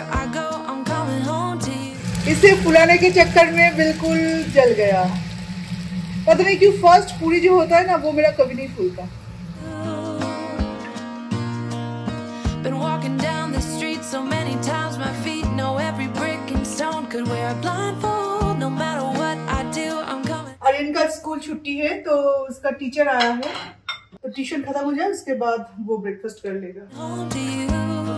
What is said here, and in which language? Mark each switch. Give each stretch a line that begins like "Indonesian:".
Hindi: इसे फुलाने के चक्कर में बिल्कुल जल गया, पता नहीं क्यों फर्स्ट पूरी जो होता है ना वो मेरा कभी नहीं फूलता।
English: Been walking down the street so many times, my feet know every brick and stone, could wear a blindfold, no matter what I do, I'm coming.
Hindi: और इनका स्कूल छुट्टी है तो उसका टीचर आया है, तो ट्यूशन खत्म हो जाए उसके बाद वो ब्रेकफास्ट कर लेगा।